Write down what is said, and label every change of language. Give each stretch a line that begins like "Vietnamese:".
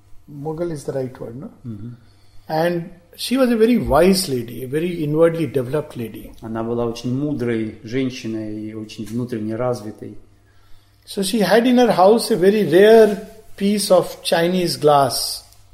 English: Mughal is the right word, no? Mm-hmm. And she was a very wise lady, a very inwardly developed lady.
Russian: Она была очень мудрой женщиной и очень внутренне развитой.
English: So she had in her house a very rare piece of Chinese glass.